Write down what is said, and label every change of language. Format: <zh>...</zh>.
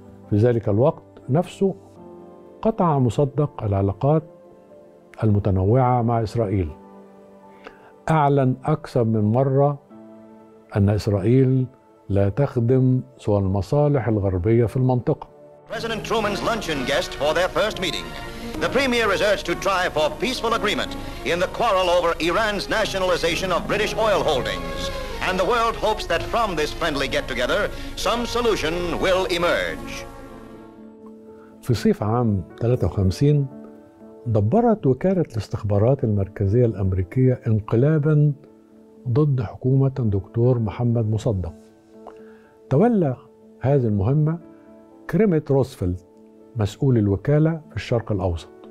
<ar>في ذلك الوقت نفسه قطع مصدق العلاقات المتنوعة مع إسرائيل. أعلن أكثر من مرة أن إسرائيل لا تخدم سوى المصالح الغربية في المنطقة.</ar> <en>President Truman's luncheon guest for their first meeting. The premier is urged to try for peaceful agreement in the quarrel over Iran's nationalization of British oil holdings. And the world hopes that from this friendly get-together, some solution will emerge.</en> <ar>في صيف عام 53 دبرت وكالة الاستخبارات المركزية الأمريكية انقلابا ضد حكومة الدكتور محمد مصدق. تولى هذه المهمة كريمت روزفلت مسؤول الوكالة في الشرق الأوسط.</ar>